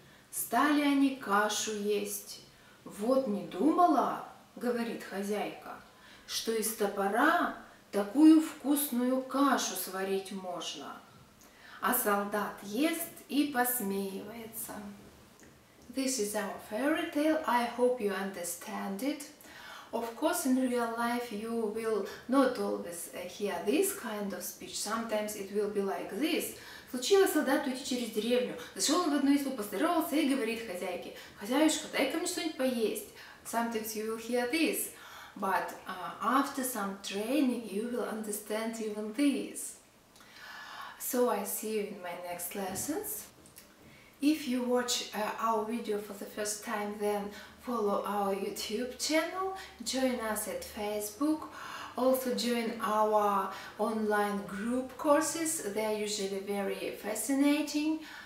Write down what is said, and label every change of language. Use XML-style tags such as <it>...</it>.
<ru>Стали они кашу есть. «Вот не думала, — говорит хозяйка, — что из топора такую вкусную кашу сварить можно». А солдат ест и посмеивается.</ru> <en>This is our fairy tale. I hope you understand it. Of course, in real life, you will not always hear this kind of speech. Sometimes it will be like this.</en> <ru>Случилось солдату идти через деревню. Зашел он в одну избу, поздоровался и говорит хозяйке: «Хозяюшка, дай-ка мне что-нибудь поесть».</ru> <en>Sometimes you will hear this. But after some training, you will understand even this. So I see you in my next lessons. If you watch our video for the first time, then follow our YouTube channel, join us at Facebook, also join our online group courses, they are usually very fascinating.</en>